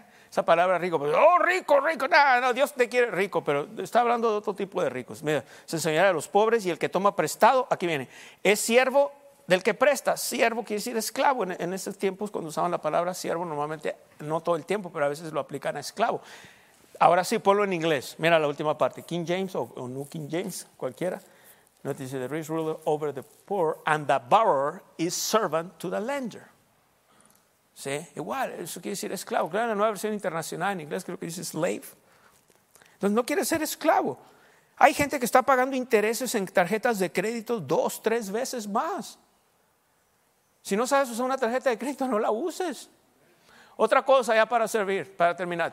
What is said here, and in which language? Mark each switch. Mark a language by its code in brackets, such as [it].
[es] esa palabra rico, pues, oh, rico, rico, no, no, Dios te quiere rico, pero está hablando de otro tipo de ricos. Mira, se enseñará a los pobres y el que toma prestado, aquí viene, es siervo del que presta. Siervo quiere decir esclavo. En esos tiempos, cuando usaban la palabra siervo, normalmente, no todo el tiempo, pero a veces lo aplican a esclavo. Ahora sí, ponlo en inglés. Mira la última parte, King James o New King James, cualquiera. [en] Notice the rich ruler over the poor and the borrower is servant to the lender. [es] ¿Sí? Igual, eso quiere decir esclavo. Claro, en la nueva versión internacional en inglés creo que dice slave. Entonces no quiere ser esclavo. Hay gente que está pagando intereses en tarjetas de crédito 2, 3 veces más. Si no sabes usar una tarjeta de crédito, no la uses. Otra cosa ya para servir, para terminar.